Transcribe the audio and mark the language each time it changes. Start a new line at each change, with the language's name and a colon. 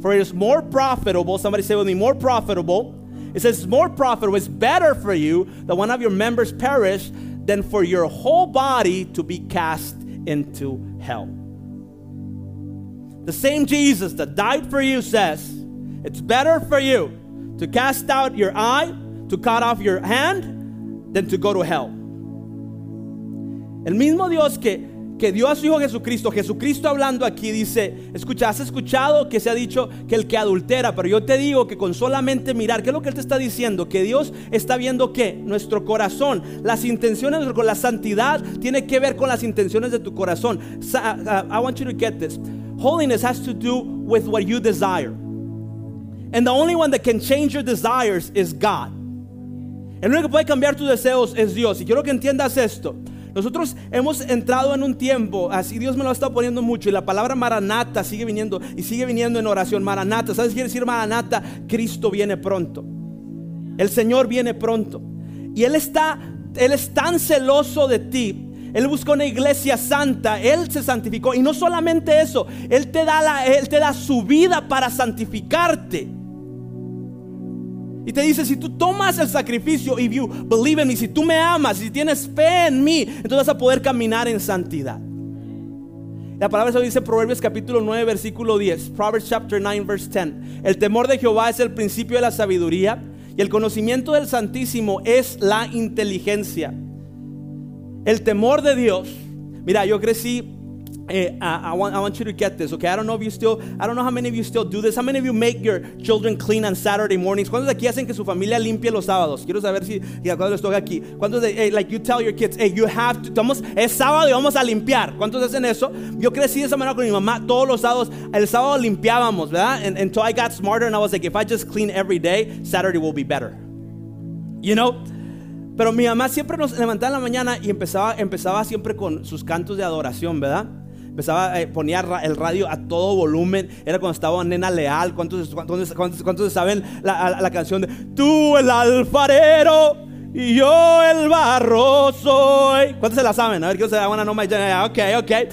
English: For it is more profitable. Somebody say with me, more profitable. It says it's more profitable, it's better for you that one of your members perish than for your whole body to be cast into hell. The same Jesus that died for you says it's better for you to cast out your eye, to cut off your hand, than to go to hell.
Spanish: El mismo Dios que dio a su Hijo Jesucristo, Jesucristo hablando aquí, dice, escucha, has escuchado que se ha dicho que el que adultera, pero yo te digo que con solamente mirar, ¿qué es lo que Él te está diciendo? Que Dios está viendo que nuestro corazón, las intenciones, con la santidad, tiene que ver con las intenciones de tu corazón.
English: I want you to get this. Holiness has to do with what you desire. And the only one that can change your desires is God.
Spanish: El único que puede cambiar tus deseos es Dios. Y quiero que entiendas esto. Nosotros hemos entrado en un tiempo, así Dios me lo ha estado poniendo mucho, y la palabra Maranata sigue viniendo y sigue viniendo en oración. Maranata, ¿sabes qué quiere decir Maranata? Cristo viene pronto. El Señor viene pronto. Y Él es tan celoso de ti. Él busca una iglesia santa. Él se santificó. Y no solamente eso, Él te da su vida para santificarte. Y te dice, si tú tomas el sacrificio,
English: if you believe in me,
Spanish: si tú me amas, si tienes fe en mí, entonces vas a poder caminar en santidad. La palabra se dice en Proverbios capítulo 9, versículo 10.
English: Proverbs chapter 9, verse 10.
Spanish: El temor de Jehová es el principio de la sabiduría, y el conocimiento del Santísimo es la inteligencia. El temor de Dios. Mira, yo crecí.
English: I want you to get this, okay? I don't know how many of you still do this. How many of you make your children clean on Saturday mornings?
Spanish: ¿Cuántos de aquí hacen que su familia limpie los sábados? Quiero saber si cuando les toca aquí. ¿Cuántos de
English: like you tell your kids, hey, you have to,
Spanish: es sábado y vamos a limpiar? ¿Cuántos hacen eso? Yo crecí de esa manera con mi mamá. Todos los sábados, el sábado limpiábamos, ¿verdad?
English: Until I got smarter and I was like, if I just clean every day, Saturday will be better. You know?
Spanish: Pero mi mamá siempre nos levantaba en la mañana y empezaba siempre con sus cantos de adoración, ¿verdad? Empezaba, ponía el radio a todo volumen. Era cuando estaba Nena Leal. ¿Cuántos saben la canción de tú el alfarero y yo el barro soy? ¿Cuántos se la saben? A ver, ¿quién se da una noma? Ok, ok.